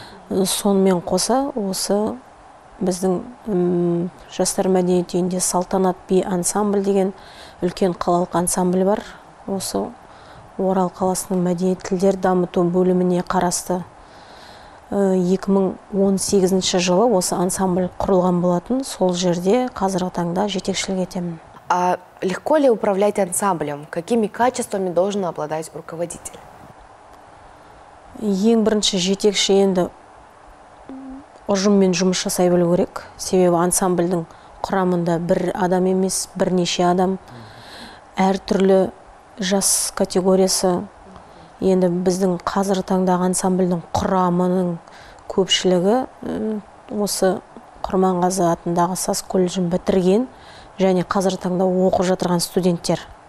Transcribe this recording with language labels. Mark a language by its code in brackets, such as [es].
[kk] Сонымен қоса осы біздің жастар мәдениет үйінде Салтанат би ансамбль деген үлкен қалалық ансамбль бар. Осы Орал қаласының мәдениет тілдер дамыту бөліміне қарасты. 2018 жылы осы ансамбль құрылған болатын, сол жерде қазіргі таңда жетекшілік етемін. [ru] А легко ли управлять ансамблем? Какими качествами должен обладать руководитель? [kk] Ең бірінші жетекші енді ұжыммен жұмыс жасай білу керек. Себебі ансамбльдің құрамында бір адам емес, бірнеше адам. Әр түрлі жас категориясы. Енді біздің қазір таңдаған ансамбльдің құрамының көпшілігі осы Құрманғазы атындағы САС колледжін бітірген және қазір таңда оқып жатырған студенттер.